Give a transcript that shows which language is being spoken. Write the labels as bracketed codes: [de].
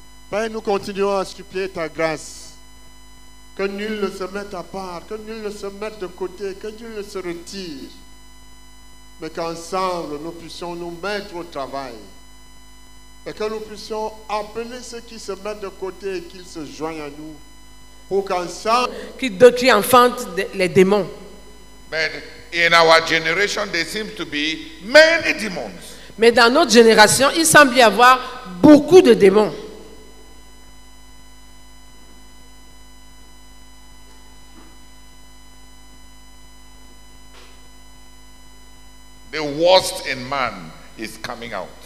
[fr] Père, nous continuons à supplier ta grâce. Que nul ne se mette à part, que nul ne se mette de côté, que nul ne se retire. Mais qu'ensemble, nous puissions nous mettre au travail. Et que nous puissions appeler ceux qui se mettent de côté et qu'ils se joignent à nous. Qui doctrine enfante les démons. [en] But in our generation, there seems to be many demons. [fr] Mais dans notre génération, il semble y avoir beaucoup de démons. [en] The worst in man is coming out.